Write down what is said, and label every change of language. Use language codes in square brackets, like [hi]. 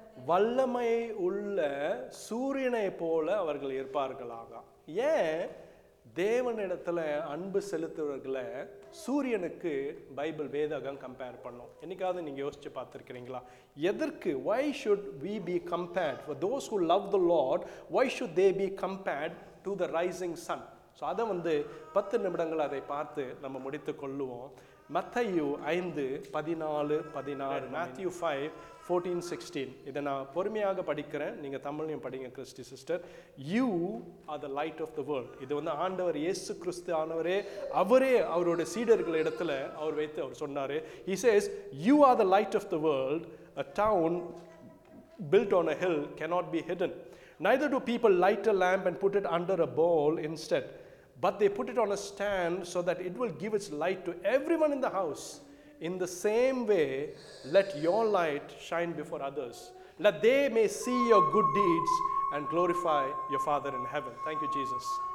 [ta] வல்லமை உள்ள சூரியனை போல அவர்கள் இருப்பார்களாக. ஏன் தேவனிடத்துல அன்பு செலுத்துவர்களை சூரியனுக்கு பைபிள் வேதாகம் கம்பேர் பண்ணும்? என்னைக்காவது நீங்கள் யோசிச்சு பார்த்துருக்கிறீங்களா? [en] எதற்கு, why should we be compared, for those who love the Lord, why should they be compared to the rising sun? [ta] So அதை வந்து 10 நிமிடங்கள் அதை பார்த்து நம்ம முடித்து கொள்ளுவோம். Matthew 5:14-16, Matthew 5:14-16, இதை நான் பொறுமையாக படிக்கிறேன், நீங்கள் தமிழ்லையும் படிங்க Christie sister. [en] You are the light of the world. [ta] இது வந்து ஆண்டவர் இயேசு கிறிஸ்து ஆனவரே அவரே அவரோட சீடர்கள் இடத்துல அவர் வைத்து அவர் சொன்னார். [en] He says you are the light of the world, a town built on a hill cannot be hidden. Neither do people light a lamp and put it under a bowl instead, but they put it on a stand so that it will give its light to everyone in the house. In the same way, let your light shine before others, that they may see your good deeds and glorify your Father in heaven. Thank you, Jesus.